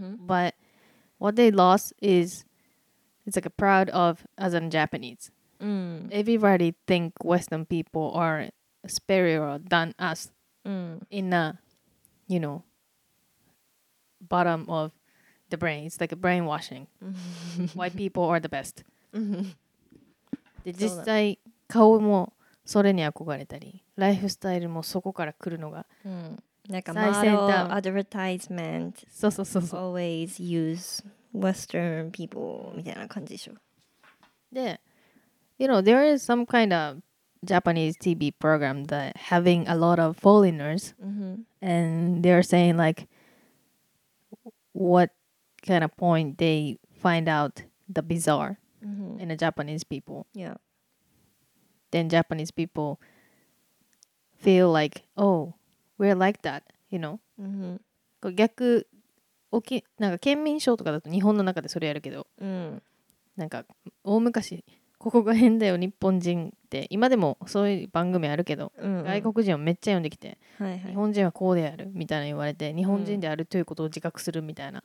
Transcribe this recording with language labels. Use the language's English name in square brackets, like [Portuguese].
[English] But what they lost is, it's like a proud of as a Japanese. Everybody think Western people are superior than us. In a, you know, bottom of the brain. It's like a brainwashing. White people are the best. [Japanese] で、実際、顔もそれに憧れたり、ライフスタイルもそこから来るのが、なんか最先端。 [English] マドルアドバタイズメント。 [Japanese] そうそうそうそう。 [English] Always use Western people [Japanese] みたいな感じでしょ。 [English] で、you know, there is some kind of... Japanese TV program that having a lot of foreigners and they're saying like what kind of point they find out the bizarre in the Japanese people. Yeah. Then Japanese people feel like, oh, we're like that, you know? 逆 [Japanese] なんか県民賞とかだと日本の中でそれやるけど、うん、なんか大昔ここが変だよ日本人って、今でもそういう番組あるけど、うんうん、外国人はめっちゃ読んできて、はいはい、日本人はこうであるみたいな言われて、日本人であるということを自覚するみたいな、